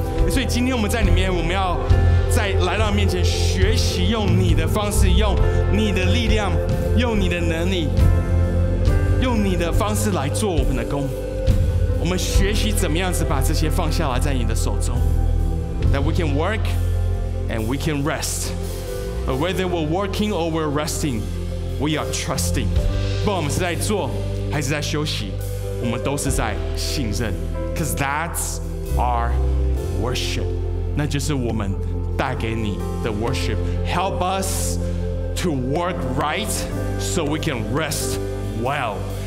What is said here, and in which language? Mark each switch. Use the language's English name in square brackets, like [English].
[Chinese] 所以今天我们在里面，我们要在来到面前学习用你的方式，用你的力量，用你的能力，用你的方式来做我们的工。我们学习怎么样子把这些放下来在你的手中。 [English] That we can work and we can rest, but whether we're working or we're resting, we are trusting. [Chinese] 不管我们是在做还是在休息，我们都是在信任。 [English] Cause that's our worship. [Chinese] 那就是我们带给你的 [English] worship. Help us to work right so we can rest well.